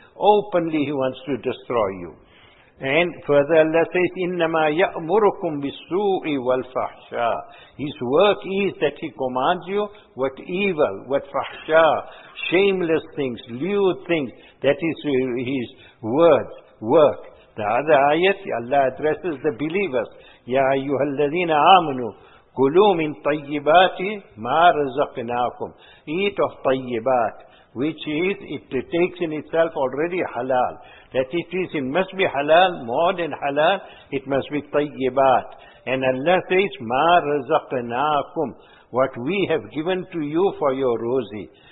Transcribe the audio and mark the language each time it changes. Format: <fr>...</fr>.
<en>Openly he wants to destroy you. And further Allah says,</en> <ar>إِنَّمَا يَأْمُرُكُمْ بِالسُّوءِ وَالْفَحْشَىٰ.</ar> <en>His work is that He commands you what evil, what fahsha, shameless things, lewd things, that is His word, work. The other ayat, Allah addresses the believers,</en> <ar>يَا أَيُّهَا الَّذِينَ آمَنُوا كُلُوا مِنْ طَيِّبَاتِ مَا رَزَقْنَاكُمْ.</ar> <en>Eat of طَيِّبَات. Which is, it takes in itself already halal. That it is, it must be halal, more than halal, it must be tayyibat. And Allah says,</en> <ar>مَا رَزَقْنَاكُمْ.</ar> <en>What we have given to you for your rosy.</en>